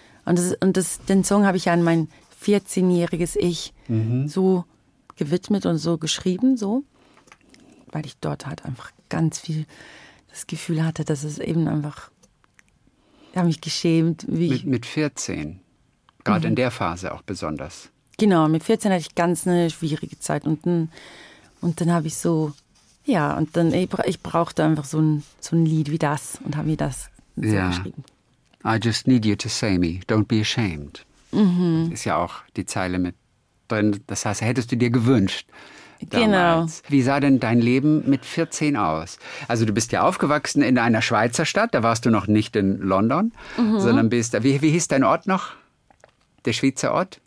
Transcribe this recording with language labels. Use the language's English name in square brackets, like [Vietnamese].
[German] Den Song habe ich ja an mein 14-jähriges Ich so gewidmet und so geschrieben, so, weil ich dort halt einfach ganz viel das Gefühl hatte, dass es eben einfach, ich habe mich geschämt. Wie mit 14, gerade in der Phase auch besonders. Genau, mit 14 hatte ich ganz eine schwierige Zeit und dann habe ich so, ja, und dann, ich brauchte einfach so ein Lied wie das und habe mir das so geschrieben. [English] I just need you to say me, don't be ashamed. [German] Mhm. Ist ja auch die Zeile mit drin, das heißt, hättest du dir gewünscht damals. Genau. Wie sah denn dein Leben mit 14 aus? Also du bist ja aufgewachsen in einer Schweizer Stadt, da warst du noch nicht in London, sondern bist, wie hieß dein Ort noch? Der Schweizer Ort?